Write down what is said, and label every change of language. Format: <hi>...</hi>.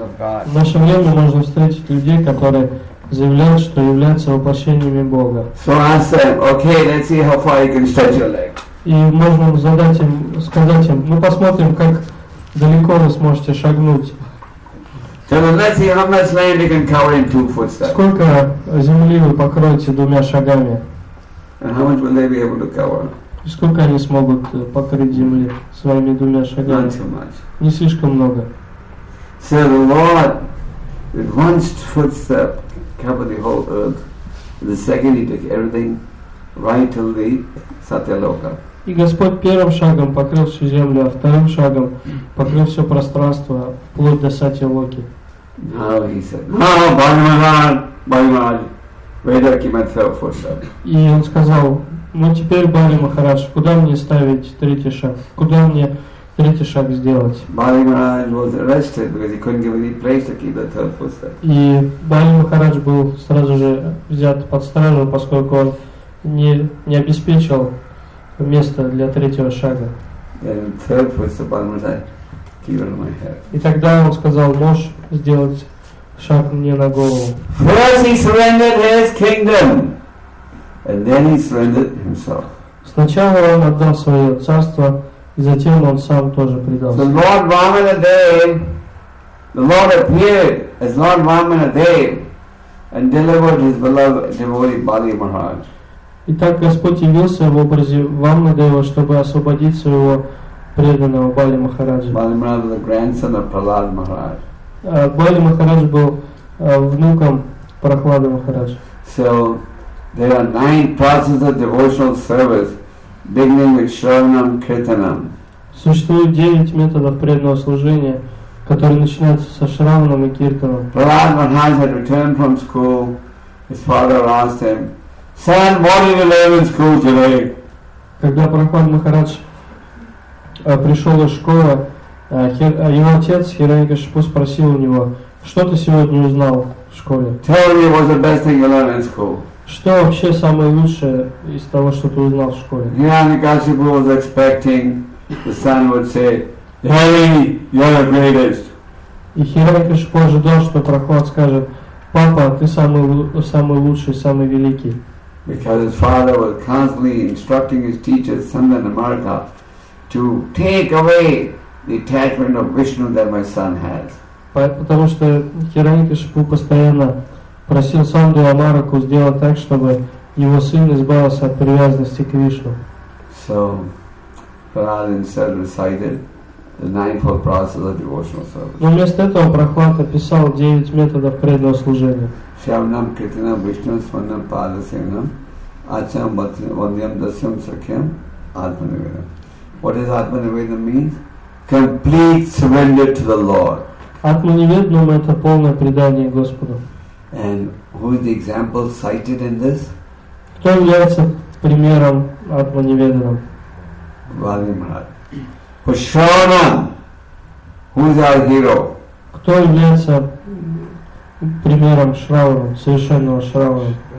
<ru>В наше время можно встретить людей, которые заявляют, что являются воплощениями Бога.</ru> <en>So ask them, okay, let's see how far you can stretch your leg.</en> <ru>И можно задать им, сказать им, мы посмотрим, как далеко вы сможете шагнуть.</ru> <en>So let's see how much land you can cover in two footsteps.</en> <ru>Сколько земли вы покроете двумя шагами?</ru> <en>And how much will they be able to cover?</en> <ru>И сколько они смогут покрыть земли своими двумя шагами? Не слишком много.</ru> <en>So the Lord, with one footstep, covered the whole earth. The second, he took everything right till the Satyaloka.</en> <ru>И Господь первым шагом покрыл всю землю, а вторым шагом покрыл все пространство вплоть до Сатьялоки.</ru> <en>Now he said, "Now, Bali Maharaj, where do I keep my third footstep?"</en> <ru>И он сказал. Ну теперь, Бали Махарадж, куда мне ставить третий шаг? Куда мне третий шаг сделать?</ru> <en>Бали Махарадж was arrested because he couldn't give any place to keep the third footstep.</en> <ru>И Бали Махарадж был сразу же взят под стражу, поскольку он не обеспечил место для третьего шага.</ru> <en>And third footstep, Бали Махарадж, keep it on my head.</en> <ru>И тогда он сказал, можешь сделать шаг мне на голову.</ru> <en>First he surrendered his kingdom. And then he surrendered himself.</en> <ru>Сначала он отдал свое царство, и затем он сам тоже предался.</ru> <en>So Lord Vamanadeva, the Lord appeared as Lord Vamanadeva and delivered his beloved devotee Bali Maharaj.</en> <ru>Итак, Господь явился в образе Вамадева, чтобы освободить своего преданного Бали Махараджа.</ru> <en>Bali Maharaj was the grandson of Prahlad Maharaj.</en> <ru>Бали Махарадж был внуком Прахлады Махараджа.</ru> <en>So there are 9 processes of devotional service, beginning with Shravanam Kirtanam.</en> <ru>Существует 9 методов преданного служения, которые начинаются со Шраванам и Киртаном.</ru> <en>Prahlad Maharaj had returned from school. His father asked him, "Son, what did you learn in school today?"</en> <ru>Когда Прахлад Махарадж пришел из школы, его отец Хираньякашипу спросил у него, "Что ты сегодня узнал в школе?"</ru> <en>Tell me what's the best thing you learned in school.</en> <ru>Что вообще самое лучшее из того, что ты узнал в школе?</ru> <en>Hiranyakashipu was expecting the son would say, "Hari, you're the greatest."</en> <ru>И Хирана Кришипо ожидал, что Прохлад скажет: «Папа, ты самый, самый лучший, самый великий».</ru> <en>Because his father was constantly instructing his teacher, Sandana Marga, to take away the attachment of Vishnu that my son has.</en> <ru>Потому что Хирани Кришипу постоянно просил Сандану Маргу сделать так, чтобы его сын избавился от привязанности к Вишну.</ru> <en>So, Prahlad instead recited the ninefold process of devotional service.</en> <ru>Но вместо этого Прохлад описал девять методов преданного служения.</ru> <sa>Shravanam, Kirtanam, Vishnam, Smaranam, Padasevanam, Acharam, Vandyam, Dasyam, Sakhyam, Atmanivedam.</sa> <en>What does Atmanivedam mean? Complete surrender to the Lord.</en> <ru>Atmanivedam – это полное предание Господу.</ru> <en>And who is the example cited in this?</en> <ru>Кто является примером Атмоневеданам?</ru> <en>Вали Махарадж. Пашранам. Who is our hero?</en> <ru>Кто является примером Шравана, совершенного Шравана?</ru>